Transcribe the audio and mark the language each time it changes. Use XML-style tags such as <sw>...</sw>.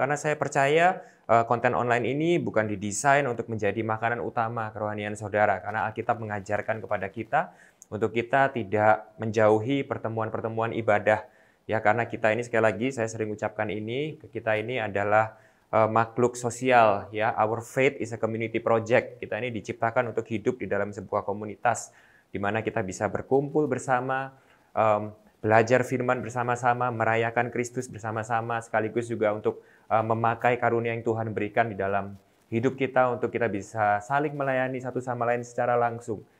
<id>Karena saya percaya konten online ini bukan didesain untuk menjadi makanan utama kerohanian saudara, karena Alkitab mengajarkan kepada kita untuk kita tidak menjauhi pertemuan-pertemuan ibadah. Ya, karena kita ini, sekali lagi saya sering ucapkan ini, kita ini adalah makhluk sosial.</id> <en>Ya, our faith is a community project.</en> <id>Kita ini diciptakan untuk hidup di dalam sebuah komunitas di mana kita bisa berkumpul bersama, belajar firman bersama-sama, merayakan Kristus bersama-sama, sekaligus juga untuk memakai karunia yang Tuhan berikan di dalam hidup kita untuk kita bisa saling melayani satu sama lain secara langsung.</id>